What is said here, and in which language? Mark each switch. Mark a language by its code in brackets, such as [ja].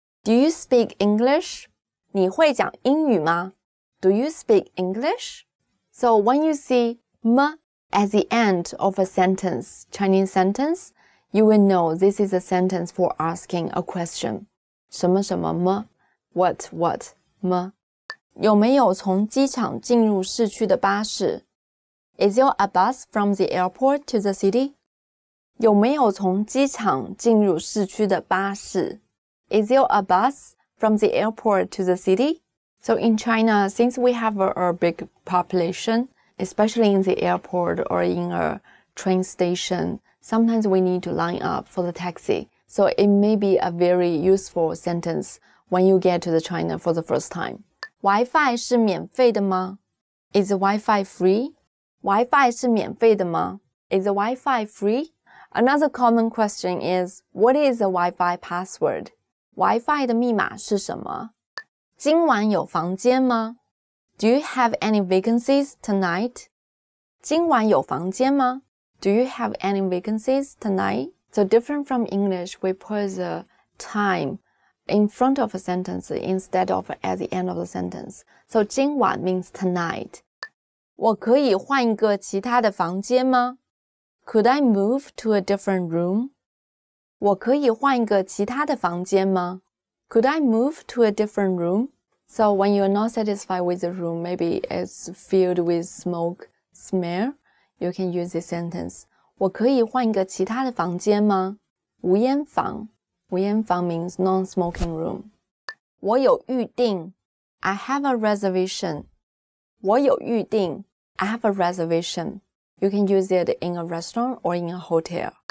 [en] Do you speak English? [zh] 你会讲英语吗? [en] Do you speak English? So when you see 吗 at the end of a sentence, Chinese sentence, you will know this is a sentence for asking a question. [zh] 什么什么吗? [en] What, what, 吗? [zh] 有没有从机场进入市区的巴士? [en] Is there a bus from the airport to the city? [zh] 有没有从机场进入市区的巴士? [en] Is there a bus from the airport to the city? So in China, since we have a big population, especially in the airport or in a train station, sometimes we need to line up for the taxi. So it may be a very useful sentence when you get to the China for the first time. [zh] Wi-Fi 是免费的吗? [en] Is the Wi-Fi free? [zh] Wi-Fi 是免费的吗? [en] Is the Wi-Fi free? Another common question is, what is the Wi-Fi password? [zh] Wi-Fi 的密码是什么? 今晚有房间吗? [en] Do you have any vacancies tonight? [zh] 今晚有房间吗? [en] Do you have any vacancies tonight? So different from English, we put the time in front of a sentence instead of at the end of the sentence. So 今晚 means tonight. [zh] 我可以换一个其他的房间吗? [en] Could I move to a different room? [zh] 我可以换一个其他的房间吗? [en] Could I move to a different room? So when you're not satisfied with the room, maybe it's filled with smoke smell, you can use this sentence. [zh] 我可以换一个其他的房间吗? 无烟房。无烟房 [en] means non-smoking room. [zh] 我有预定。 [en] I have a reservation. [zh] 我有预定。 [en] I have a reservation. You can use it in a restaurant or in a hotel.